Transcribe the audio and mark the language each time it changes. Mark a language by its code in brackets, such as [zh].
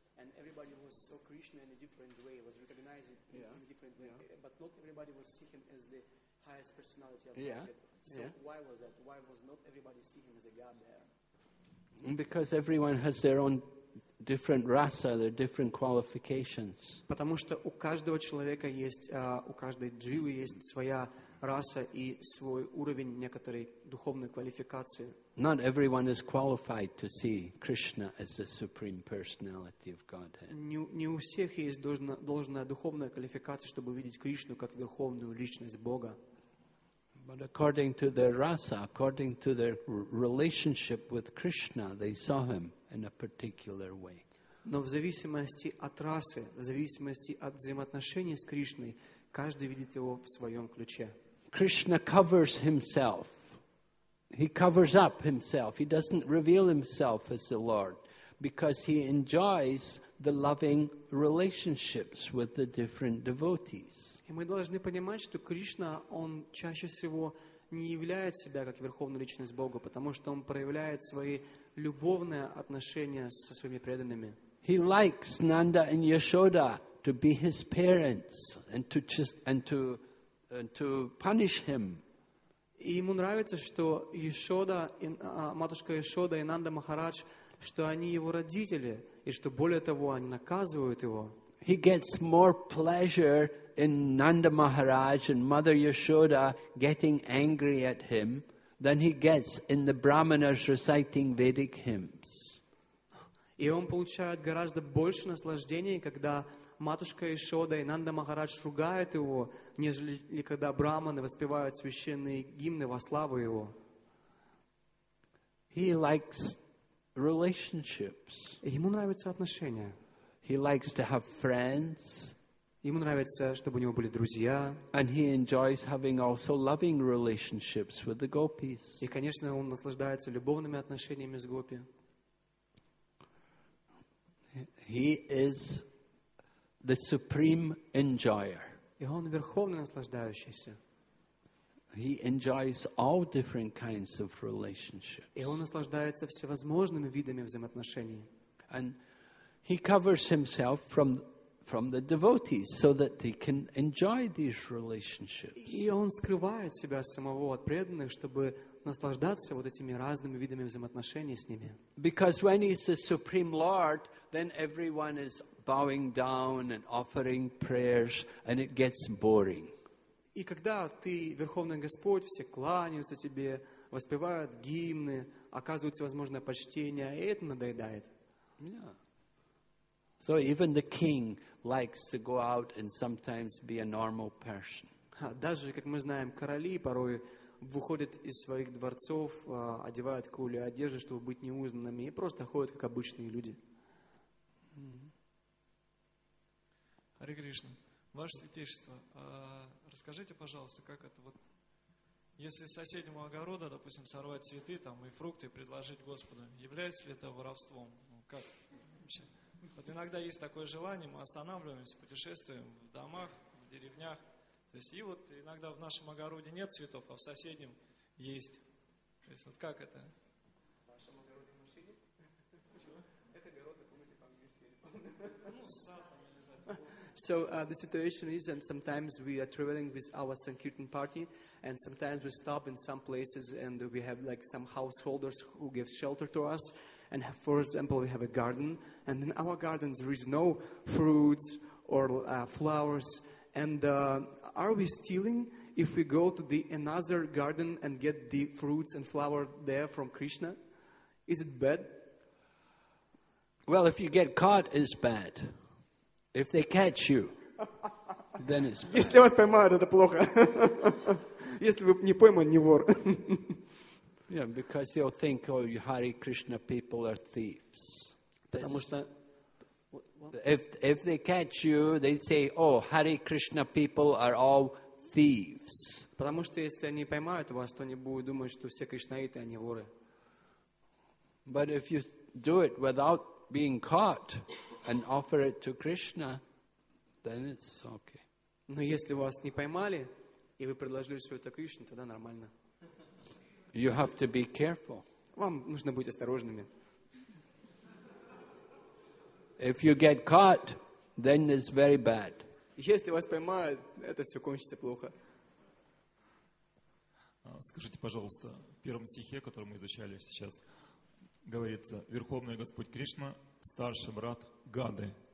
[en] And everybody was saw Krishna in a different way, was recognizing him in a different way. Yeah. But not everybody was seeing him as the highest personality of Godhead. So why was that? Why was not everybody seeing him as a god there? Because everyone has their own different rasa, their different qualifications. [ru] Потому что у каждого человека есть, у каждой дживы есть своя раса и свой уровень некоторой духовной квалификации. [en] Not everyone is qualified to see Krishna as the supreme personality of Godhead. [ru] Не у всех есть должная духовная квалификация, чтобы видеть Кришну как верховную личность Бога. [en] But according to their rasa, according to their relationship with Krishna, they saw him in a particular way. [ru] Но в зависимости от расы, в зависимости от взаимоотношений с Кришной, каждый видит его в своем ключе. [en] Krishna covers himself. He covers up himself. He doesn't reveal himself as the Lord because he enjoys the loving relationships with the different devotees. [ru] И мы должны понимать, что Кришна, он чаще всего не являет себя как верховная личность Бога, потому что он проявляет свои любовные отношения со своими преданными. [en] He likes Nanda and Yashoda to be his parents and to punish him. [ru] И ему нравится, что Ешода, матушка Ешода и Нанда Махарадж, что они его родители, и что более того, они наказывают его. [en] He gets more pleasure in Nanda Maharaj and Mother Yashoda getting angry at him than he gets in the brahmanas reciting Vedic hymns. [ru] И он получает гораздо больше наслаждения, когда матушка Ешода и Нанда Махарадж ругают его, нежели когда брахманы воспевают священные гимны во славу его. [en] He likes relationships. [ru] Ему нравятся отношения. [en] He likes to have friends. [ru] Ему нравится, чтобы у него были друзья. [en] And he enjoys having also loving relationships with the gopis. [ru] И, конечно, он наслаждается любовными отношениями с гопи. [en] He is the supreme enjoyer. [ru] И он верховный наслаждающийся. [en] He enjoys all different kinds of relationships. [ru] И он наслаждается всевозможными видами взаимоотношений. [en] And he covers himself from the devotees so that he can enjoy these relationships. [ru] И он скрывает себя самого от преданных, чтобы наслаждаться вот этими разными видами взаимоотношений с ними. [en] Because when he's the supreme lord, then everyone is bowing down and offering prayers, and it gets boring. [ru] И когда ты верховный господь, все кланяются тебе, воспевают гимны, оказывают всевозможные почтения, и это надоедает. [en] Yeah. So even the king likes to go out and sometimes be a normal person. [ru] Даже, как мы знаем, короли порой выходят из своих дворцов, одевают какую-либо одежду, чтобы быть неузнанными, и просто ходят как обычные люди. Харе Кришна, Ваше Святейшество, расскажите, пожалуйста, как это вот, если с соседнего огорода, допустим, сорвать цветы там и фрукты, предложить Господу, является ли это воровством? Ну, как вообще? Вот иногда есть такое желание, мы останавливаемся, путешествуем в домах, в деревнях, то есть и вот иногда в нашем огороде нет цветов, а в соседнем есть. То есть вот как это? В вашем огороде мужчине? Чего? Это огород, помните, там есть перепады. Ну, сад. [en] So the situation is that sometimes we are traveling with our Sankirtan party and sometimes we stop in some places and we have like some householders who give shelter to us And have, for example, we have a garden, and in our garden there is no fruits or flowers. And are we stealing if we go to the another garden and get the fruits and flower there from Krishna? Is it bad? Well, if you get caught, it's bad. If they catch you, then it's bad. [ru] Если вас поймают, это плохо. Если вы не пойман, не вор. [en] Yeah, because they'll think, oh, you Hare Krishna people are thieves. If they catch you, they say, oh, Hare Krishna people are all thieves. [ru] Потому что если они поймают вас, то они будут думать, что все кришнаиты, они воры. [en] But if you do it without being caught and offer it to Krishna, then it's okay. [ru] Но если вас не поймали, и вы предложили все это Кришне, тогда нормально. [en] You have to be careful. [ru] Вам нужно быть осторожными. [en] If you get caught, then it's very bad. [ru] Если вас поймают, это все кончится плохо. Скажите, пожалуйста, в первом стихе, который мы изучали сейчас, говорится, Верховный Господь Кришна, старший брат Гады.